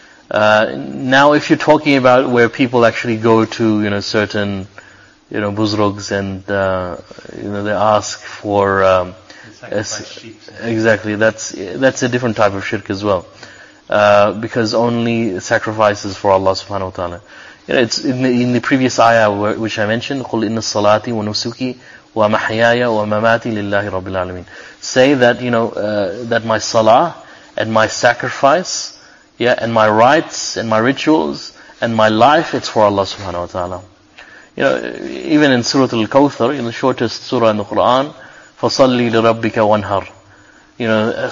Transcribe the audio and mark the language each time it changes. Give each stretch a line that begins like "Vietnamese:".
English: Now, if you're talking about where people actually go to, certain, buzrugs and, they ask for, exactly, that's a different type of shirk as well. Because only sacrifices for Allah subhanahu wa ta'ala. It's in the previous ayah which I mentioned,
Arabic: قُلْ إِنَّ الصَّلَاةِ وَنُسُكِي وَمَحْيَايَ وَمَمَاتِ لِلَّهِ رَبِّ الْعَالَمِينَ.
English: Say that, that my salah and my sacrifice, and my rites and my rituals and my life, it's for Allah subhanahu wa ta'ala. Even in Surah Al-Kawthar, in the shortest surah in the Quran,
Arabic: فَصَلِّ لِرَبِّكَ وَانْهَرْ.